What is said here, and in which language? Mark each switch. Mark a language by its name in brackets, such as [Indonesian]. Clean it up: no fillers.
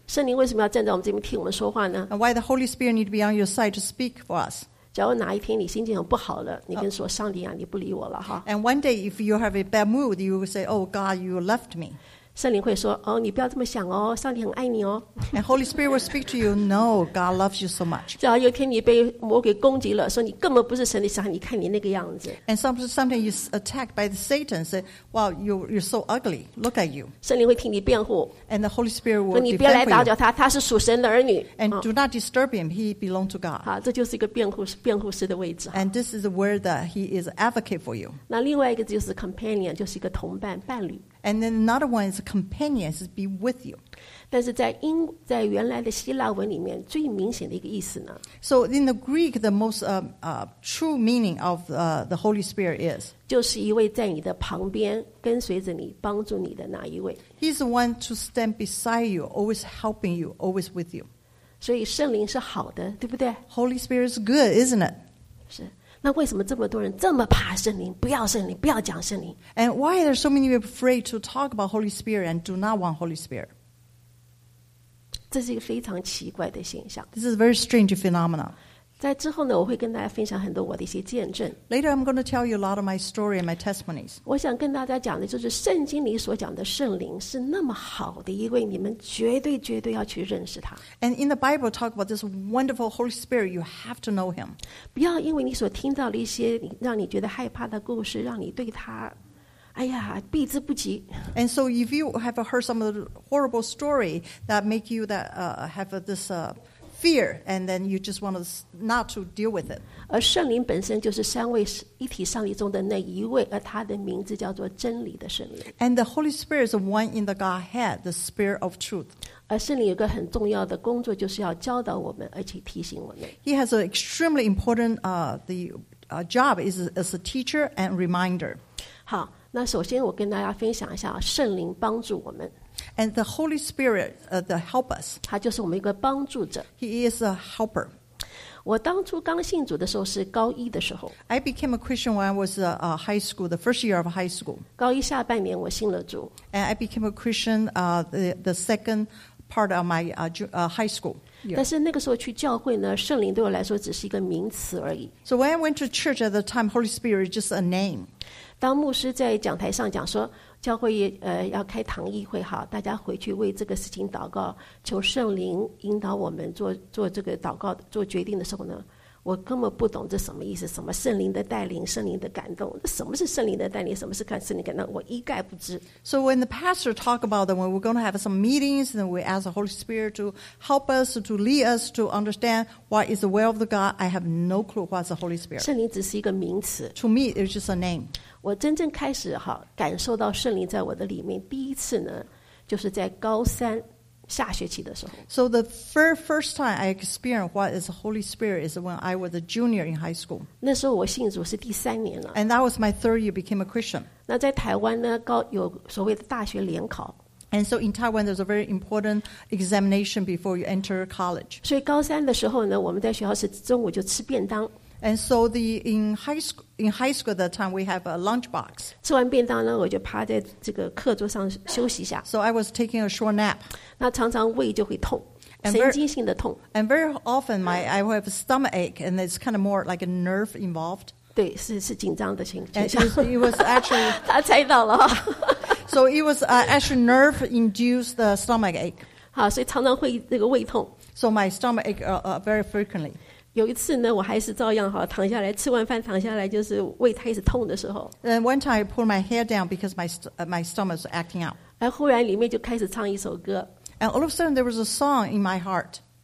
[Chinese] 圣灵为什么要站在我们这边替我们说话呢？ [English] And why the Holy Spirit need to be on your side to speak for us? [Chinese] 假如哪一天你心情很不好了，你跟说上帝啊，你不理我了哈。 [English] And one day if you have a bad mood, you will say, oh God, you left me. [Chinese] 圣灵会说哦，你不要这么想哦，上帝很爱你哦。 [English] And Holy Spirit will speak to you, no, God loves you so much. [Chinese] 假如有一天你被魔鬼攻击了，说你根本不是神的小孩，你看你那个样子。 [English] And sometimes you're attacked by the Satan, say, wow, you're so ugly, look at you. [Chinese] 圣灵会替你辩护。 [English] And the Holy Spirit will defend [Chinese] you. 你不要来打搅他，他是属神的儿女。 [English] And do not disturb him, he belongs to God. [Chinese] 好，这就是一个辩护师的位置。 [English] And this is where that he is advocate for you. [Chinese] 那另外一个就是 companion, 就是一个同伴伴侣。 [English] And then another one is a companion, is be with you. [Chinese] 但是在原来的希腊文里面最明显的一个意思呢 [English] So in the Greek, the most true meaning of the Holy Spirit is [Chinese] 就是一位在你的旁边跟随着你帮助你的那一位 [English] He's the one to stand beside you, always helping you, always with you. [Chinese] 所以圣灵是好的对不对 [English] Holy Spirit is good, isn't it? [Chinese] 是那为什么这么多人这么怕圣灵不要圣灵不要讲圣灵 [English] And why are there so many of you afraid to talk about Holy Spirit and do not want Holy Spirit? [Chinese] 这是一个非常奇怪的现象 [English] This is a very strange phenomenon [Chinese] 在之后呢我会跟大家分享很多我的一些见证 [English] Later I'm going to tell you a lot of my story and my testimonies [Chinese] 我想跟大家讲的就是圣经里所讲的圣灵是那么好的一位你们绝对绝对要去认识他 [English] And in the Bible talk about this wonderful Holy Spirit You have to know him [Chinese] 不要因为你所听到的一些让你觉得害怕的故事让你对他哎呀，避之不及。 [English] And so, if you have heard some of the horrible story that make you that have this fear, and then you just want not to deal with it. [Chinese] 而圣灵本身就是三位一体上帝中的那一位，而他的名字叫做真理的圣灵。 [English] And the Holy Spirit is the one in the Godhead, the Spirit of Truth. [Chinese] 而圣灵有个很重要的工作，就是要教导我们，而且提醒我们。 [English] He has an extremely important job is as a teacher and reminder. [Chinese] 好。那首先我跟大家分享一下圣灵帮助我们 [English] And the Holy Spirit the help us [Chinese] 他就是我们一个帮助者 [English] He is a helper [Chinese] 我当初刚信主的时候是高一的时候 [English] I became a Christian when I was high school The first year of high school [Chinese] 高一下半年我信了主 [English] And I became a Christian the second part of my high school、year. [Chinese] 但是那个时候去教会呢圣灵对我来说只是一个名词而已 [English] So when I went to church at the time Holy Spirit is just a name [Chinese] 当牧师在讲台上讲说教会要开堂议会好大家回去为这个事情祷告求圣灵引导我们 做这个祷告做决定的时候呢我根本不懂这什么意思什么圣灵的带领圣灵的感动什么是圣灵的带领什么是看圣灵的感动我一概不知 [English] So when the pastor talk about them, when we're going to have some meetings and we ask the Holy Spirit to help us to lead us to understand what is the will of the God I have no clue what's the Holy Spirit [Chinese] 圣灵只是一个名词 [English] To me it's just a name [Chinese] 我真正开始哈感受到圣灵在我的里面第一次呢就是在高三下学期的时候 [English] So the first time I experienced what is the Holy Spirit is when I was a junior in high school [Chinese] 那时候我信主是第三年了 [English] And that was my third year became a Christian [Chinese] 那在台湾呢有所谓的大学联考 [English] And so in Taiwan there's a very important examination before you enter college [Chinese] 所以高三的时候呢我们在学校是中午就吃便当 [English] And so in high school at that time we have a lunchbox. [Chinese] 吃完便当呢，我就趴在这个课桌上休息一下。 [English] So I was taking a short nap. [Chinese] 那常常胃就会痛。神经性的痛。 [English] And very often I will have a stomach ache and it's kind of more like a nerve involved. [Chinese] 对，是紧张的情况。 [English] And it was actually [Chinese] 他猜到了。 [English] So it was actually nerve induced the stomach ache. [Chinese] 好，所以常常会这个胃痛。 [English] So my stomach ache very frequently. [Chinese] 有一次呢我还是照样好躺下来吃完饭躺下来就是胃开始痛的时候 [English] And one time I pulled my hair down because my stomach was acting out [Chinese] 而忽然里面就开始唱一首歌 [English] And all of a sudden there was a song in my heart